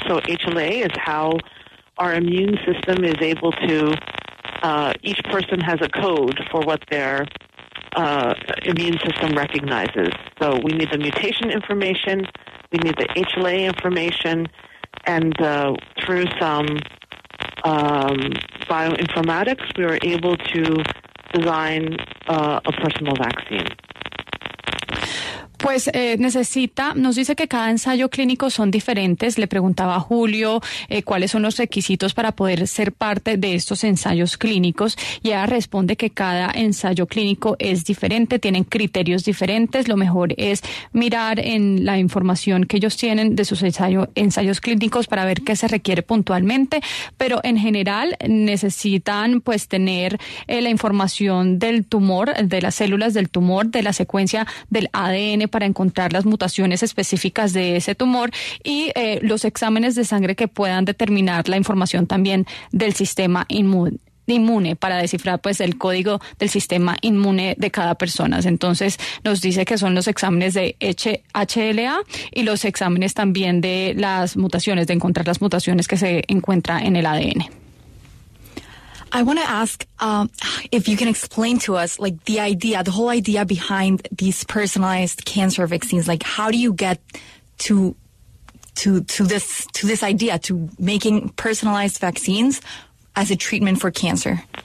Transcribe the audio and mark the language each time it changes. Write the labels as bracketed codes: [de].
[en] So HLA is how our immune system is able to, each person has a code for what their immune system recognizes. So we need the mutation information, we need the HLA information, and through some bioinformatics, we were able to design a personal vaccine. [es] Pues necesita, nos dice que cada ensayo clínico son diferentes. Le preguntaba a Julio cuáles son los requisitos para poder ser parte de estos ensayos clínicos, y ella responde que cada ensayo clínico es diferente, tienen criterios diferentes. Lo mejor es mirar en la información que ellos tienen de sus ensayos clínicos para ver qué se requiere puntualmente, pero en general necesitan pues tener la información del tumor, de las células del tumor, de la secuencia del ADN para encontrar las mutaciones específicas de ese tumor, y los exámenes de sangre que puedan determinar la información también del sistema inmune para descifrar pues el código del sistema inmune de cada persona. Entonces nos dice que son los exámenes de HLA y los exámenes también de las mutaciones, de encontrar las mutaciones que se encuentra en el ADN. [en] I want to ask if you can explain to us, like, the idea, the whole idea behind these personalized cancer vaccines. Like, how do you get to this idea, to making personalized vaccines as a treatment for cancer?